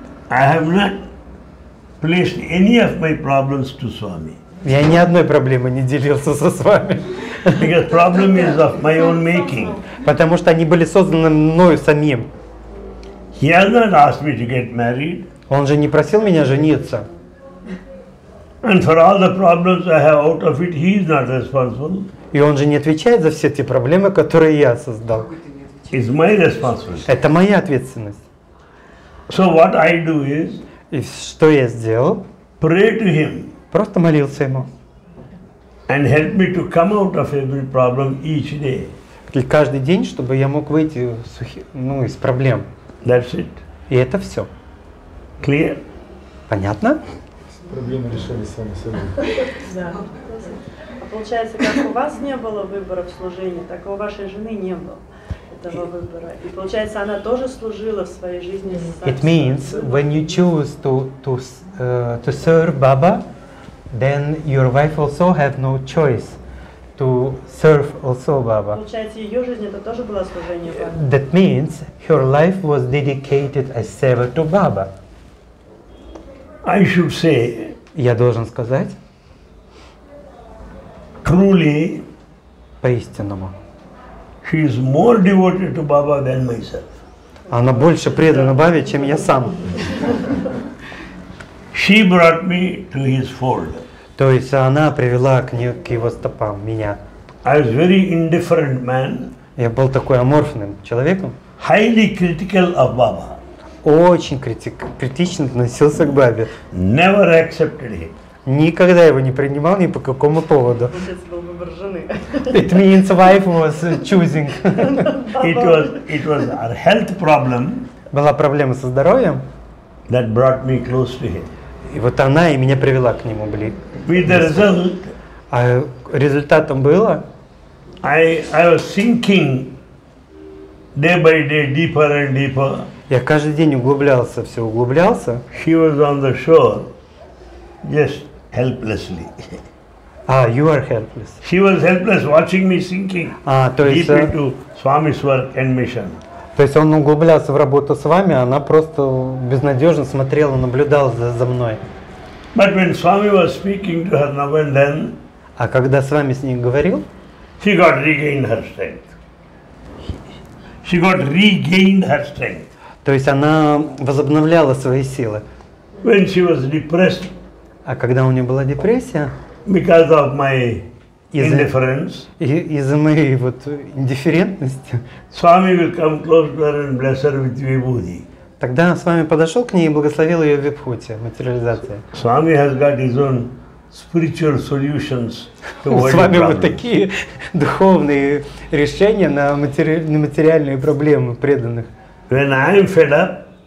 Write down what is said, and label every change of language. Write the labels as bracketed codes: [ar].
[en] I have not placed any of my problems to Swami. [ru] Я ни одной проблемы не делился со Свами. [en] Because problem is of my own making. [ru] Потому что они были созданы мною самим. [en] He has not asked me to get married. [ru] Он же не просил меня жениться. [en] And for all the problems I have out of it, he is not responsible. [ru] И он же не отвечает за все те проблемы, которые я создал. [en] It's my responsibility. [ru] Это моя ответственность. [en] So what I do is. [ru] И что я сделал? [en] Pray to him. [ru] Просто молился ему. [en] And help me to come out of every problem each day. [ru] И каждый день, чтобы я мог выйти из проблем. [en] That's it. [ru] И это все. [en] Clear? [ru] Понятно? Проблемы решали сами собой. Да. А получается, как у вас не было выбора в служении, так и у вашей жены не было этого выбора. И получается, она тоже служила в своей жизни. [en] It means when you choose to serve Baba, then your wife also had no choice to serve also Baba. That means her life was dedicated as seva to Baba. I should say, [ru] я должен сказать, [en] truly, [ru] поистинному, [en] she is more devoted to Baba than myself. [ru] Она больше предана Бабе, чем я сам. [en] She brought me to his fold. [ru] То есть она привела к его стопам меня. [en] I was very indifferent man. [ru] Я был такой аморфным человеком. [en] Highly critical of Baba. [ru] Очень критично относился к Бабе. [en] Never accepted him. [ru] Никогда его не принимал ни по какому поводу. [en] It means wife was choosing. It was our health problem. [ru] Была проблема со здоровьем. [en] That brought me close to him. [ru] И вот она и меня привела к нему, [en] With the result, [ru] а результатом было, [en] I was sinking day by day deeper and deeper. [ru] Я каждый день углублялся. [en] She was on the shore, just helplessly. You are helpless. She was helpless, watching me sinking deep into Swami's work and mission. [ru] То есть он углублялся в работу с вами, она просто безнадежно смотрела, наблюдала за мной. [en] But when Swami was speaking to her now and then, [ru] а когда Свами с ней говорил, [en] she got regained her strength. [ru] То есть она возобновляла свои силы. [en] When she was depressed. [ru] А когда у нее была депрессия? [en] Because of my indifference. [ru] Из-за моей вот индифферентности. [en] Swami will come close to her and bless her with vibhuti. [ru] Тогда Свами подошел к ней и благословил ее в вибхуте, материализации. [en] Swami has got his own spiritual solutions to worldly problems. [ru] У Свами вот такие духовные решения на материальные проблемы преданных. [en] When I am fed up.